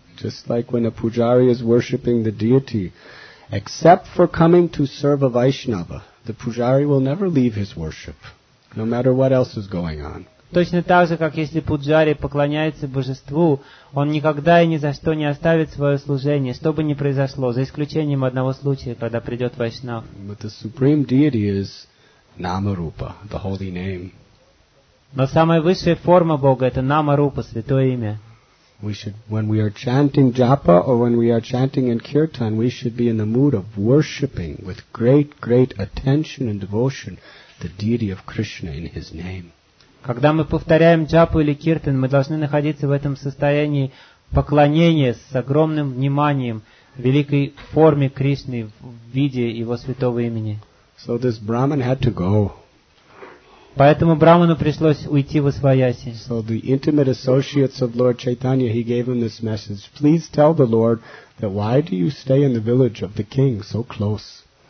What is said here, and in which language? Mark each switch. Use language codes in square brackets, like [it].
[en] Just like when a pujari is worshipping the deity, except for coming to serve a Vaishnava, the pujari will never leave his worship, no matter what else is going on. [ru] Точно так же, как если пуджари поклоняется божеству, он никогда и ни за что не оставит свое служение, что бы ни произошло, за исключением одного случая, когда придет Вайшнав. [en] But the supreme deity is Namarupa, the holy name. [ru] Но самая высшая форма Бога – это Намарупа, святое имя. [en] We should, when we are chanting japa or when we are chanting in kirtan, we should be in the mood of worshipping with great, great attention and devotion the deity of Krishna in His name. [ru] Когда мы повторяем джапу или киртан, мы должны находиться в этом состоянии поклонения с огромным вниманием великой форме Кришны в виде Его святого имени. [en] So this Brahman had to go. [ru] Поэтому Брахману пришлось уйти во свояси. [en] So the intimate associates of Lord Chaitanya, he gave him this message. Please tell the Lord that why do you stay in the village of the king so close?